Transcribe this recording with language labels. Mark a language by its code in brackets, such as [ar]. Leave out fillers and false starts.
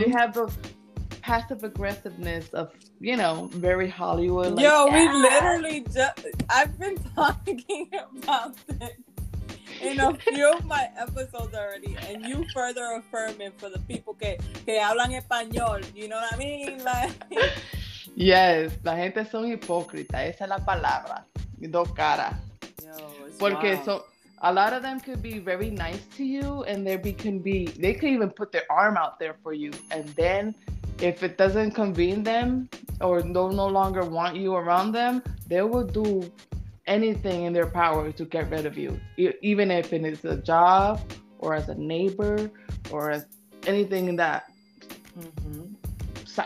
[en] They have the passive aggressiveness of, you know, very Hollywood. Yo, we literally just, I've been talking about this in a few of my episodes already, and you further affirming for the people [es] que hablan español, [en] you know what I mean? Like, [es] yes, la gente son hipócrita, esa es la palabra, dos caras. Porque [en] wild. So, a lot of them could be very nice to you, and they could even put their arm out there for you, and then if it doesn't convene them, or no longer want you around them, they will do anything in their power to get rid of you, even if it is a job or as a neighbor or as anything in that mm-hmm.